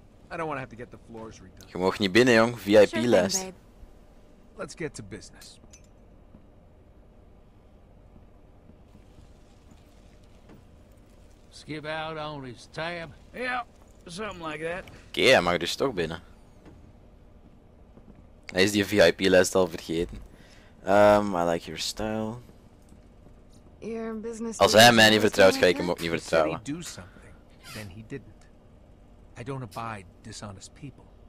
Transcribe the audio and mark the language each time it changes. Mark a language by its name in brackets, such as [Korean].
[English] I don't want to have to get the floors redone. [Dutch] Je mag niet binnen, jong. [English] VIP list. Let's get to business. Skip out on his tab. Yeah, something like that. [Dutch] Okay, hij mag dus toch binnen. Hij is die VIP-lijst al vergeten. [English] I like your style. Your business. [Dutch] Als hij mij niet vertrouwt, ga ik hem ook niet vertrouwen. [English] Then he didn't. I don't abide dishonest people.